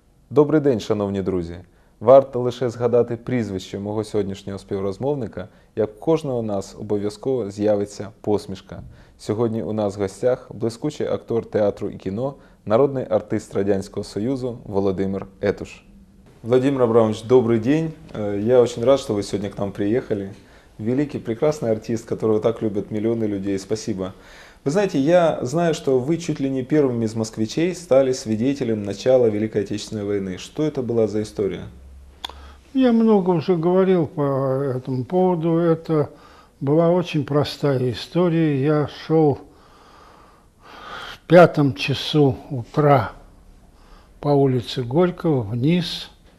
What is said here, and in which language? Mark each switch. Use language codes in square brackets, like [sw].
[uk] Добрий день, шановні друзі! Варто лише згадати прізвище мого сьогоднішнього співрозмовника, як у кожного з нас обов'язково з'явиться посмішка. Сьогодні у нас в гостях блискучий актор театру і кіно, народний артист Радянського Союзу Володимир Етуш. Владимир Абрамович, добрий день! Я дуже рад, що ви сьогодні до нас приїхали. Великий, прекрасний артист, якого так люблять мільйони людей. [ru] Спасибо! Вы знаете, я знаю, что вы чуть ли не первым из москвичей стали свидетелем начала Великой Отечественной войны. Что это была за история? Я много уже говорил по этому поводу. Это была очень простая история. Я шел в 5:00 утра по улице Горького вниз.